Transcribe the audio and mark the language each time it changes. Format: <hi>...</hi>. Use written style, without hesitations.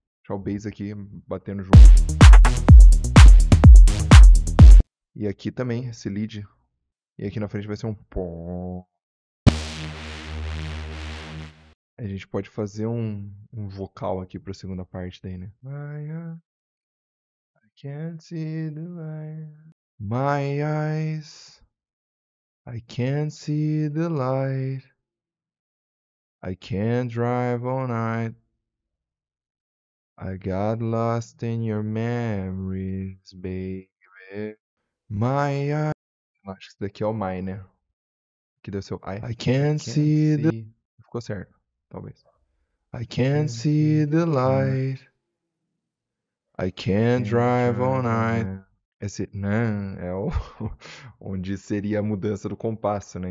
<pt>Deixar o bass aqui batendo junto. E aqui também, esse lead. E aqui na frente vai ser um pó. A gente pode fazer um vocal aqui para a segunda parte daí, né?</pt> <en>Maya, I can't see the light. My eyes, I can't see the light. I can't drive all night. I got lost in your memories, baby. My eyes.</en> <pt>Acho que esse daqui é o my, né? Que deu seu I.</pt> <en>I can't Can't see the.</en> <pt>see. Ficou certo, talvez.</pt> <en>I can't Can't see the light. I can't can't drive all drive night. on.</en> <pt>Esse não é o onde seria a mudança do compasso, né?</pt>